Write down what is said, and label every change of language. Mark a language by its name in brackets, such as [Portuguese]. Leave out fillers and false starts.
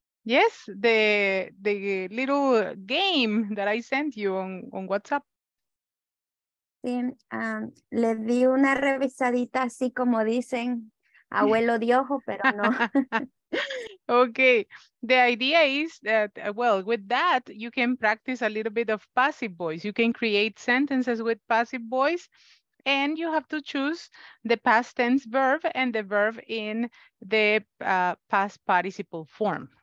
[English] Yes, the little game that I sent you on WhatsApp. [Spanish] Le di una revisadita así como dicen, abuelo de ojo, pero no. [English] Okay, the idea is that, well, with that, you can practice a little bit of passive voice. You can create sentences with passive voice, and you have to choose the past tense verb and the verb in the past participle form.